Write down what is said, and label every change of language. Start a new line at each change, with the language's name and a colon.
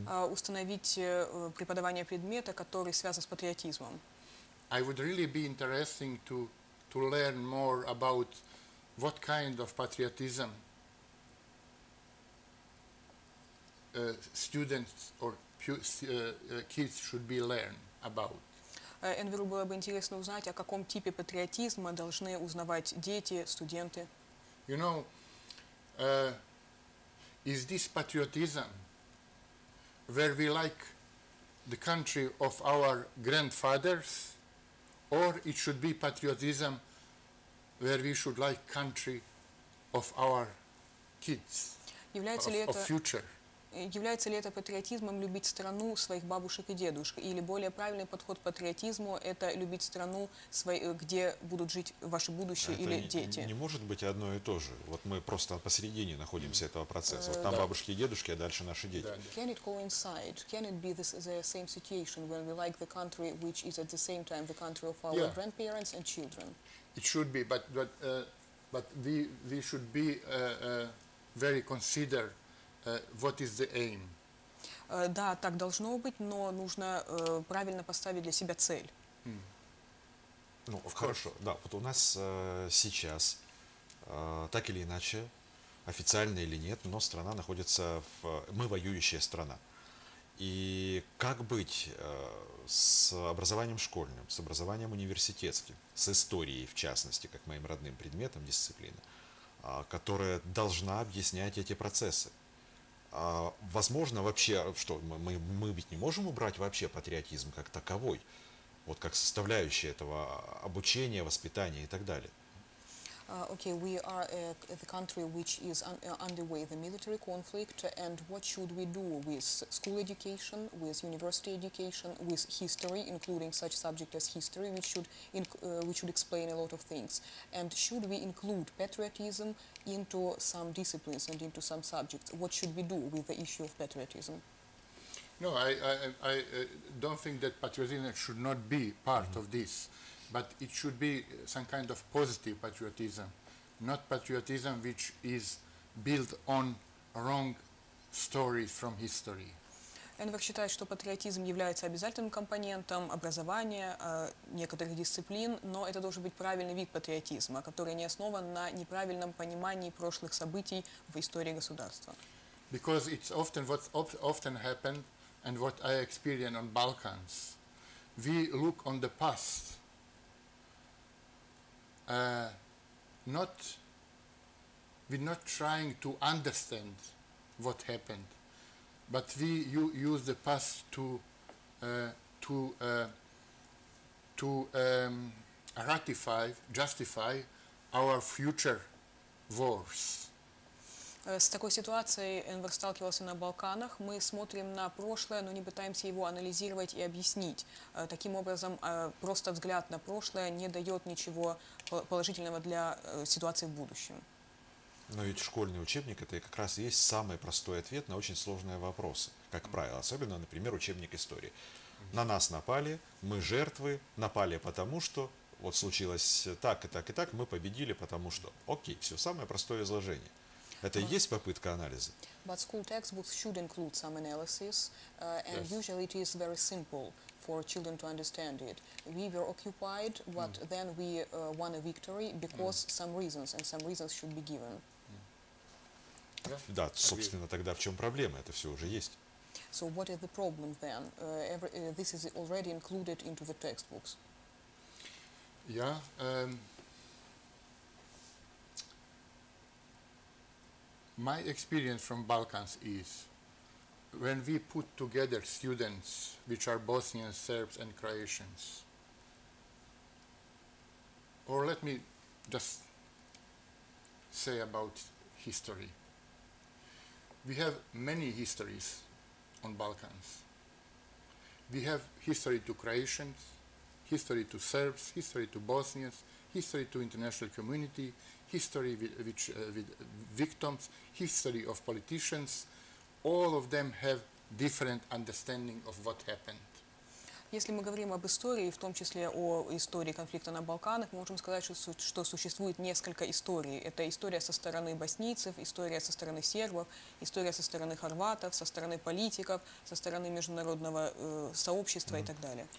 Russian: Установить преподавание предмета, который связан с патриотизмом.
English: I would really be interesting to learn more about what kind of patriotism students or kids should be learn about.
Russian: Энверу было бы интересно узнать, о каком типе патриотизма должны узнавать дети, студенты.
English: You know, is this patriotism where we like the country of our grandfathers, or it should be patriotism where we should like country of our kids, of future?
Russian: Является ли это патриотизмом любить страну своих бабушек и дедушек? Или более правильный подход к патриотизму – это любить страну, где будут жить ваши будущие это или дети? Не может быть одно и то же. Вот мы просто посередине находимся этого процесса. Вот там бабушки и дедушки, а дальше наши дети.
English: Can it coincide? Can it be the same situation when we like the country which is at the same time the country of our grandparents and children? It should be, but we should be very considered. What is the aim?
Russian: Да, так должно быть, но нужно правильно поставить для себя цель. Ну, хорошо, да, вот у нас сейчас, так или иначе, официально или нет, но страна находится в... Мы воюющая страна. И как быть с образованием школьным, с образованием университетским, с историей, в частности, как моим родным предметом дисциплины, которая должна объяснять эти процессы? Возможно вообще, что мы ведь не можем убрать вообще патриотизм как таковой, вот как составляющая этого обучения, воспитания и так далее.
English: Okay, we are the country which is underway the military conflict, and what should we do with school education, with university education, with history, including such subject as history, which should explain a lot of things, and should we include patriotism into some disciplines and into some subjects? What should we do with the issue of patriotism? No, I don't think that patriotism should not be part mm-hmm. of this. But it should be some kind of positive patriotism, not patriotism which is built on wrong stories from history.
Russian: Энвер считает, что патриотизм является обязательным компонентом образования некоторых дисциплин, но это должен быть правильный вид патриотизма, который не основан на неправильном понимании прошлых событий в истории государства.
English: Because it's often what often happened and what I experienced on Balkans. We look on the past. We're not trying to understand what happened, but you use the past to ratify, justify our future wars.
Russian: С такой ситуацией Энвер сталкивался на Балканах. Мы смотрим на прошлое, но не пытаемся его анализировать и объяснить. Таким образом, просто взгляд на прошлое не дает ничего положительного для ситуации в будущем. Но ведь школьный учебник – это как раз и есть самый простой ответ на очень сложные вопросы, как правило. Особенно, например, учебник истории. На нас напали, мы жертвы, напали потому что… Вот случилось так, и так, и так, мы победили потому что… Окей, все, самое простое изложение. Это и есть попытка анализа.
English: But school textbooks should include some analysis, and yes. usually it is very simple for children to understand it. We were occupied, but then we won a victory because some reasons, and some reasons should be given.
Russian: Да, собственно, тогда в чем проблема? Это все уже есть.
English: So what is the problem then? This is already included into the textbooks. Yeah. My experience from Balkans is when we put together students which are Bosnian, Serbs and Croatians, or let me just say about history. We have many histories on Balkans. We have history to Croatians, history to Serbs, history to Bosnians, history to international community, history with victims, history of politicians. All of them have different understanding of what happened.
Russian: Если мы говорим об истории, в том числе о истории конфликта на Балканах, мы можем сказать, что существует несколько историй. Это история со стороны боснийцев, история со стороны сербов, история со стороны хорватов, со стороны политиков, со стороны международного сообщества и так далее.